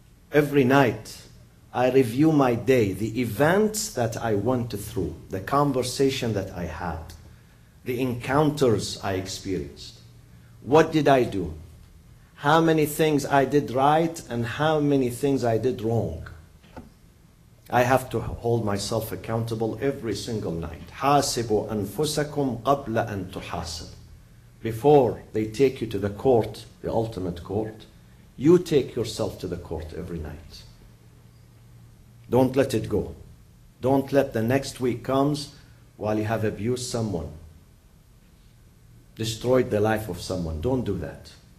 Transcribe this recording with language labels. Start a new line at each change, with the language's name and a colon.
English: Every night, I review my day, the events that I went through, the conversation that I had, the encounters I experienced. What did I do? How many things I did right and how many things I did wrong. I have to hold myself accountable every single night.
Arabic: حاسبوا أنفسكم قبل أن تحاسب.
English: Before they take you to the court, the ultimate court, you take yourself to the court every night. Don't let it go. Don't let the next week comes while you have abused someone, destroyed the life of someone. Don't do that.